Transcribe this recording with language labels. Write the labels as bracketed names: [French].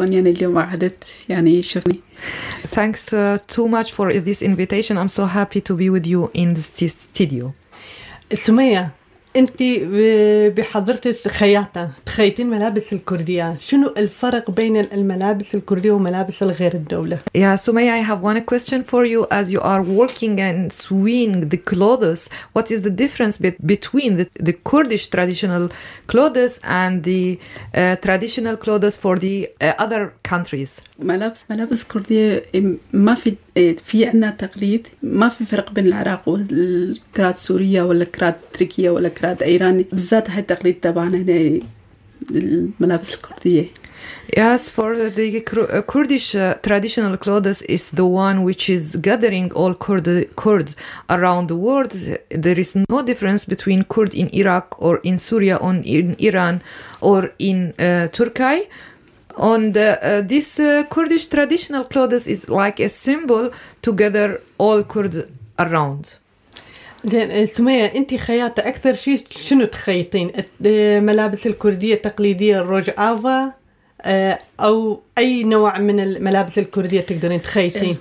[Arabic] يعني اليوم قعدت يعني شفني. [English] Thanks too much for this invitation. I'm so happy to be with you in this studio. [Arabic] سمية أنت بحضرتك خياطة تخيطين ملابس الكردية، شنو الفرق بين الملابس الكردية وملابس الغير الدولة؟ [English] Yeah, Sumeya, I have one question for you. As you are working and sewing the clothes, what is the difference between the Kurdish traditional clothes and the traditional clothes for the other countries? [Arabic] ملابس كردية ما في عنا تقليد، ما في فرق بين العراق والكراد سورية ولا كراد تركية ولا كراد إيراني، بالذات هاي التقليد تبعنا هنا الملابس الكردية. [English] Yes, for the Kurdish traditional clothes is the one which is gathering all Kurds around the world. There is no difference between Kurd in Iraq or in Syria or in Iran or in Turkey. On the this Kurdish traditional clothes is like a symbol to gather all Kurds around. [Arabic] زين سمية أنت خياطة، أكثر شيء شنو تخيطين؟ ملابس الكردية التقليدية الروجافا أو أي نوع من الملابس الكردية تقدرين تخيطين؟